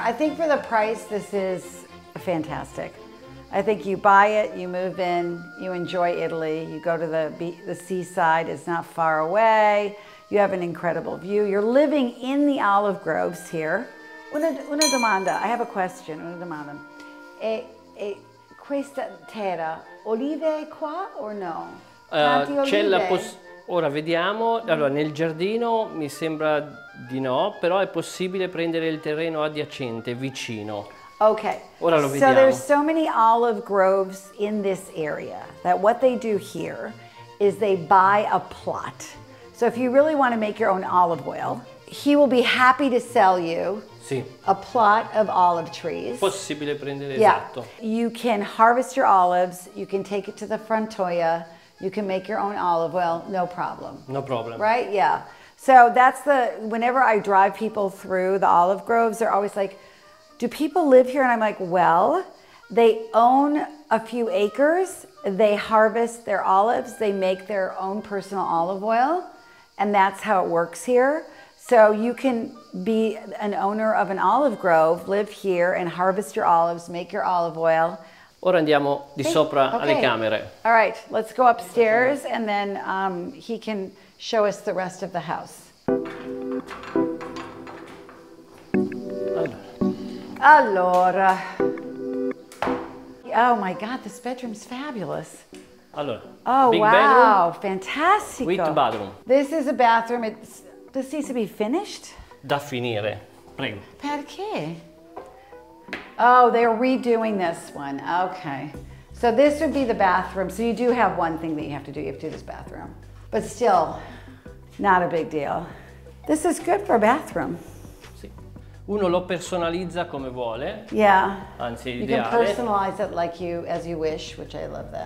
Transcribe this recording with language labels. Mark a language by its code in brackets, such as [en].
[en] I think for the price, this is fantastic. I think you buy it, you move in, you enjoy Italy, you go to the seaside, it's not far away, you have an incredible view, you're living in the olive groves here. [it] Una domanda, [en] I have a question, [it] una domanda. E questa terra, olive qua o no? Tanti olive? Ora vediamo, allora nel giardino mi sembra di no, però è possibile prendere il terreno adiacente, vicino. [en] Okay, [it] ora lo vediamo. [en] So there's so many olive groves in this area that what they do here is they buy a plot. So if you really want to make your own olive oil, he will be happy to sell you [it] sì. [en] A plot of olive trees. [it] Possibile prendere, [en] yeah. [it] Esatto. [en] You can harvest your olives, you can take it to the frontoia, you can make your own olive oil, no problem. No problem. Right, yeah. So that's whenever I drive people through the olive groves, they're always like, do people live here? And I'm like, well, they own a few acres, they harvest their olives, they make their own personal olive oil, and that's how it works here. So you can be an owner of an olive grove, live here, and harvest your olives, make your olive oil. [it] Ora andiamo di sopra alle camere. [en] All right, let's go upstairs, and then he can show us the rest of the house. [it] Allora. [en] Oh my God, this bedroom's fabulous. [it] Allora. [en] Oh, big wow. Bedroom, [it] fantastico. [en] With bathroom. This is a bathroom. This needs to be finished. [it] Da finire. Prego. Perché? [en] Oh, they're redoing this one. Okay. So this would be the bathroom. So you do have one thing that you have to do. You have to do this bathroom. But still, not a big deal. This is good for a bathroom. [it] Uno lo personalizza come vuole. [en] Yeah. [it] Anzi, è ideale. [en] You can personalize it like you, as you wish, which I love that.